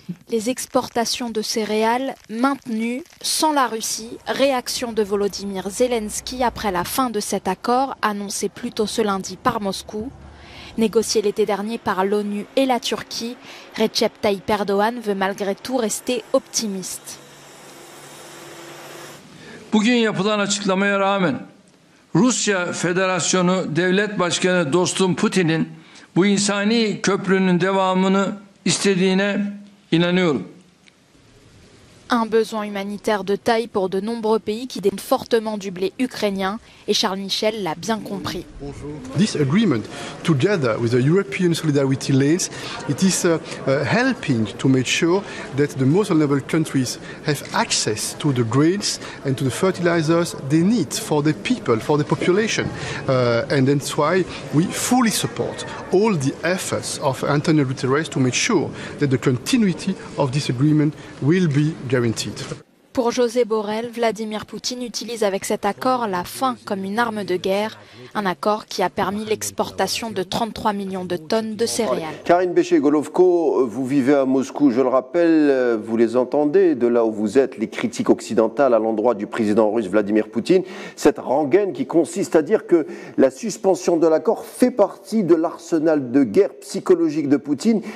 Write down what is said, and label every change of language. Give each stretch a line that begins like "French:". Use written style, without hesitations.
French: Les exportations de céréales maintenues sans la Russie. Réaction de Volodymyr Zelensky après la fin de cet accord annoncé plus tôt ce lundi par Moscou. Négocié l'été dernier par l'ONU et la Turquie, Recep Tayyip Erdogan veut malgré tout rester optimiste.
Turkish: Bugün yapılan açıklamaya rağmen Rusya Federasyonu Devlet Başkanı dostum Putin'in bu insani köprünün devamını istediğine inanıyorum.
French: Un besoin humanitaire de taille pour de nombreux pays qui dépendent fortement du blé ukrainien, et Charles Michel l'a bien compris.
English: This agreement, together with the European solidarity lanes, it is helping to make sure that the most vulnerable countries have access to the grains and to the fertilizers they need for the people, for the population. And that's why we fully support all the efforts of Antonio Guterres to make sure that the continuity of this agreement will be guaranteed.
French: Pour José Borrell, Vladimir Poutine utilise avec cet accord la faim comme une arme de guerre, un accord qui a permis l'exportation de 33 millions de tonnes de céréales. Karine Béchet-Golovko, vous vivez à Moscou, je le rappelle, vous les entendez de là où vous êtes, les critiques occidentales à l'endroit du président russe Vladimir Poutine, cette rengaine qui consiste à dire que la suspension de l'accord fait partie de l'arsenal de guerre psychologique de Poutine.